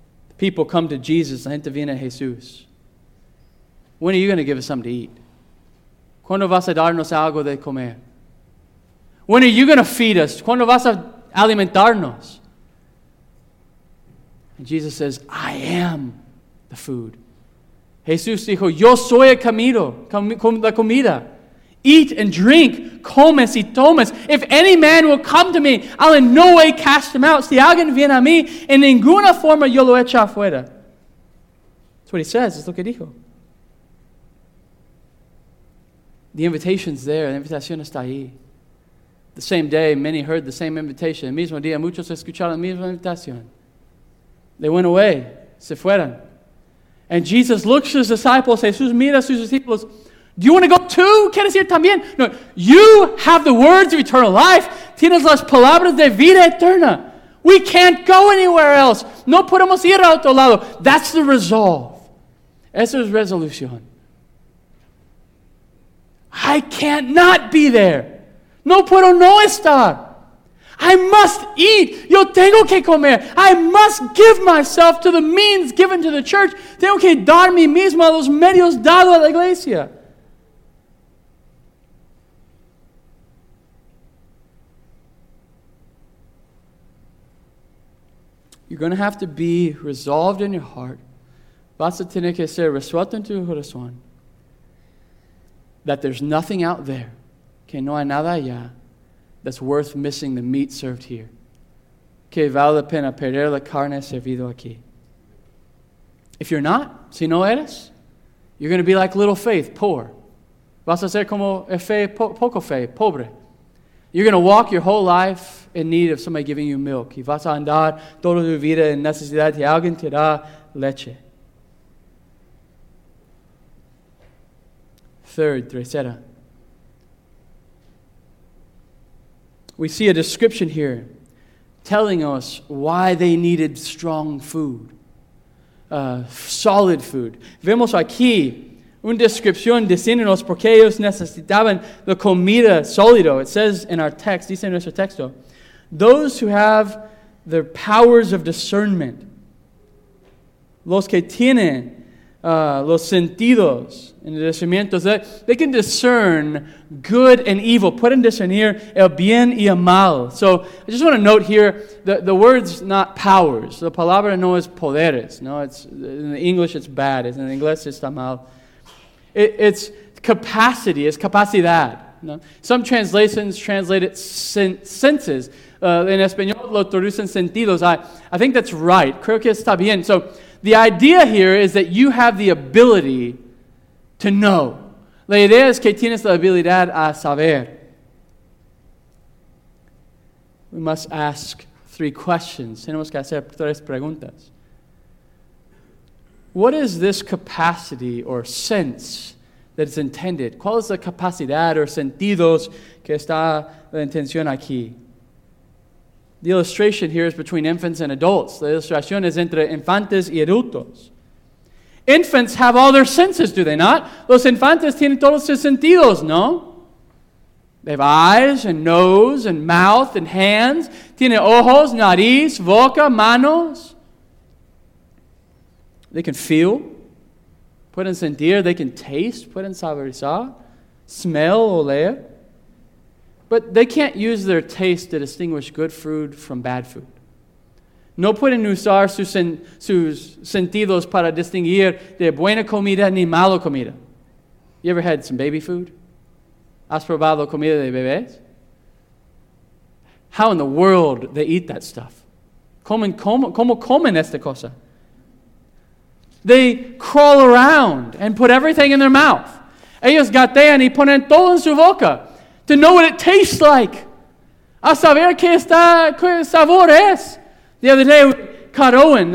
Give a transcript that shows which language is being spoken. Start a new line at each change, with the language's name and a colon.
English: The people come to Jesus.
Spanish: La gente viene a Jesús.
English: When are you going to give us something to eat?
Spanish: ¿Cuándo vas a darnos algo de comer?
English: When are you going to feed us?
Spanish: ¿Cuándo vas a alimentarnos?
English: And Jesus says, I am the food.
Spanish: Jesús dijo, yo soy el camino, la comida.
English: Eat and drink,
Spanish: comes y tomas.
English: If any man will come to me, I'll in no way cast him out.
Spanish: Si alguien viene a mí, en ninguna forma yo lo echo afuera.
English: That's what he says,
Spanish: es lo que dijo.
English: The invitation's there,
Spanish: la invitación está ahí.
English: The same day, many heard the same invitation.
Spanish: El mismo día, muchos escucharon la misma invitación.
English: They went away.
Spanish: Se fueron.
English: And Jesus looks at his disciples.
Spanish: Jesús mira a sus discípulos.
English: Do you want to go too?
Spanish: ¿Quieres ir también?
English: No. You have the words of eternal life.
Spanish: Tienes las palabras de vida eterna.
English: We can't go anywhere else.
Spanish: No podemos ir a otro lado.
English: That's the resolve.
Spanish: Esa es resolución.
English: I can't not be there.
Spanish: No puedo no estar.
English: I must eat.
Spanish: Yo tengo que comer.
English: I must give myself to the means given to the church.
Spanish: Tengo que dar mi mismo a los medios dado a la iglesia.
English: You're going to have to be resolved in your heart.
Spanish: Vas a tener que ser resuelto en tu corazón.
English: That there's nothing out there.
Spanish: Que no hay nada allá.
English: That's worth missing the meat served here.
Spanish: Que vale la pena perder la carne servido aquí.
English: If you're not,
Spanish: si no eres,
English: you're going to be like little faith, poor.
Spanish: Vas a ser como fe, poco fe, pobre.
English: You're going to walk your whole life in need of somebody giving you milk.
Spanish: Y vas a andar toda tu vida en necesidad de alguien te da leche.
English: Third,
Spanish: tercera.
English: We see a description here telling us why they needed strong food, solid food.
Spanish: Vemos aquí una descripción diciéndonos por qué ellos necesitaban la comida sólida.
English: It says in our text,
Spanish: dice en nuestro texto,
English: those who have their powers of discernment,
Spanish: los que tienen los sentidos, en discernimientos, they can discern good and evil. Pueden discernir el bien y el mal.
English: So I just want to note here, the word's not powers.
Spanish: La palabra no es poderes.
English: No, it's in the English it's bad.
Spanish: In the inglés está mal.
English: It's capacity.
Spanish: It's capacidad. No?
English: Some translations translate it senses.
Spanish: En español lo traducen sentidos.
English: I think that's right.
Spanish: Creo que está bien.
English: So the idea here is that you have the ability to know.
Spanish: La idea es que tienes la habilidad a saber.
English: We must ask three questions.
Spanish: Tenemos que hacer tres preguntas.
English: What is this capacity or sense that is intended?
Spanish: ¿Cuál es la capacidad or sentidos que está la intención aquí?
English: The illustration here is between infants and adults.
Spanish: La ilustración es entre infantes y adultos.
English: Infants have all their senses, do they not?
Spanish: Los infantes tienen todos sus sentidos, ¿no?
English: They have eyes and nose and mouth and hands.
Spanish: Tienen ojos, nariz, boca, manos.
English: They can feel.
Spanish: Pueden sentir.
English: They can taste.
Spanish: Pueden saborizar. Smell, oler.
English: But they can't use their taste to distinguish good food from bad food.
Spanish: No pueden usar sus sentidos para distinguir de buena comida ni mala comida.
English: You ever had some baby food?
Spanish: ¿Has probado comida de bebés?
English: How in the world they eat that stuff?
Spanish: ¿Cómo comen esta cosa?
English: They crawl around and put everything in their mouth.
Spanish: Ellos gatean y ponen todo en su boca.
English: To know what it tastes like.
Spanish: A saber qué sabor es.
English: The other day, caught Owen.